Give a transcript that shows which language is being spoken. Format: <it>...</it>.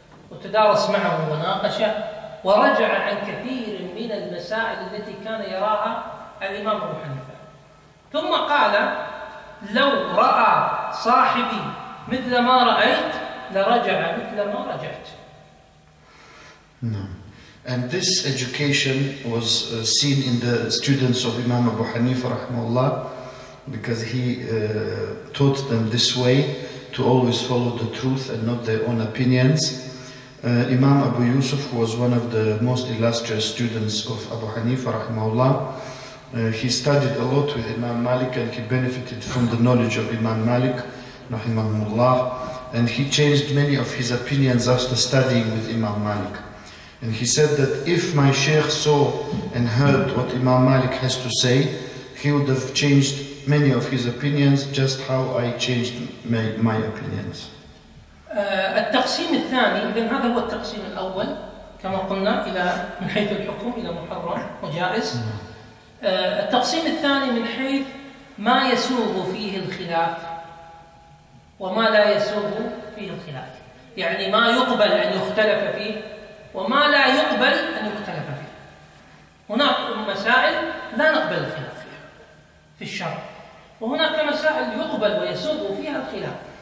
<ar>وتدارس معه وناقشه ورجع عن كثير من المسائل التي كان يراها الإمام أبو حنيفة ثم قال لو رأى صاحبي مثل ما رأيت لرجع مثل ما رجعت</ar> <en>no. And this education was seen in the students of Imam Abu Hanifa rahimahullah because he taught them this way to always follow the truth and not their own opinions. Imam Abu Yusuf was one of the most illustrious students of Abu Hanifa rahimahullah. He studied a lot with Imam Malik and he benefited from the knowledge of Imam Malik rahimahullah, and he changed many of his opinions after studying with Imam Malik. And he said that if my Sheikh saw and heard what Imam Malik has to say, he would have changed many of his opinions just how I changed my opinions.</en> <ar>التقسيم الثاني إذن هذا هو التقسيم الأول كما قلنا إلى من حيث الحكم إلى محرم وجائز التقسيم الثاني من حيث ما يسوغ فيه الخلاف وما لا يسوغ فيه الخلاف يعني ما يقبل أن يختلف فيه وما لا يقبل أن يختلف فيه هناك مسائل لا نقبل الخلاف فيها في الشرع وهناك مسائل يقبل ويسوغ فيها الخلاف</ar>